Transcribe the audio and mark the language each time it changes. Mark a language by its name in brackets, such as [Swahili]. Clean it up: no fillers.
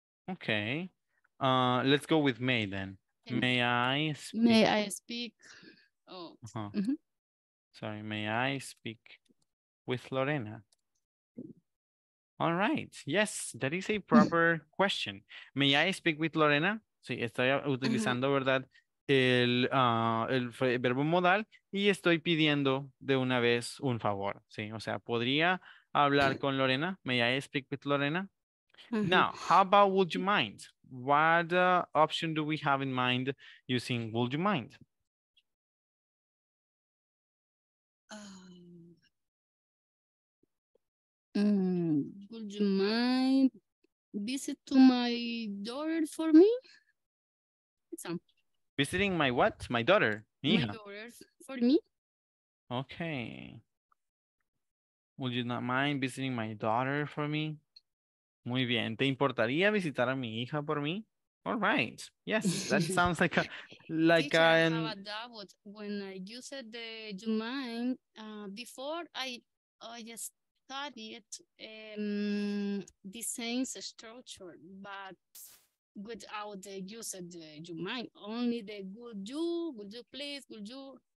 [English] Okay, let's go with May then. Can may I speak? May I speak? Oh. Uh-huh. Mm-hmm. Sorry, may I speak with Lorena? All right, yes, that is a proper question. May I speak with Lorena? [Spanish] Sí, estoy utilizando, ¿verdad? El verbo modal y estoy pidiendo de una vez un favor, ¿sí? O sea, ¿podría hablar con Lorena? [English] May I speak with Lorena? Now, how about would you mind? What option do we have in mind using would you mind? Would you mind visit to my daughter for me? Example. Visiting my what? My daughter. My daughter for me. Okay. Would you not mind visiting my daughter for me? [Spanish] Muy bien. ¿Te importaría visitar a mi hija por mí? [English] All right. Yes, that sounds like a... Like teacher, a, I have a doubt. When you said the you mind, before I just studied the same structure, but without the use of the you mind, only the would you please, would you